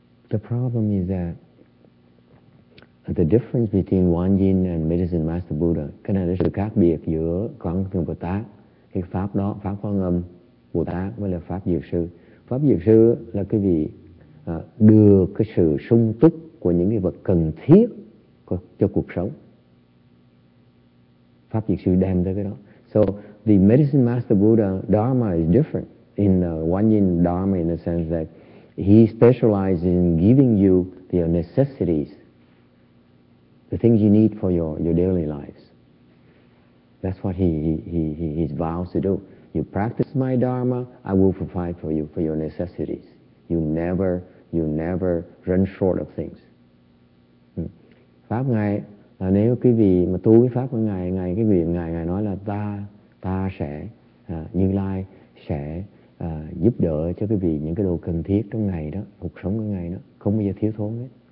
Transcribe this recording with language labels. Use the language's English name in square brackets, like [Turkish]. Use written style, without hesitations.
[English] The problem is that the difference between Quán Yin and Medicine Master Buddha, [Vietnamese] cái này là sự khác biệt giữa Quán Thế Bồ Tát, cái pháp đó, pháp Quán Âm Bồ Tát với là pháp Dược Sư. Pháp Dược Sư là cái vị đưa cái sự sung túc của những cái vật cần thiết cho cuộc sống. Pháp Dược Sư đem tới cái đó. [English] So the Medicine Master Buddha Dharma is different in the Quán Yin Dharma in the sense that he specializes in giving you your necessities, the things you need for your daily lives. That's what he vows to do. You practice my Dharma, I will provide for you for your necessities. You never run short of things. [Vietnamese] Pháp Ngài, nếu quý vị mà tu cái pháp của Ngài, Ngài cái nguyện Ngài, Ngài nói là ta sẽ Như Lai sẽ giúp đỡ cho quý vị những cái đồ cần thiết trong ngày đó, cuộc sống của ngày đó không bao giờ thiếu thốn hết.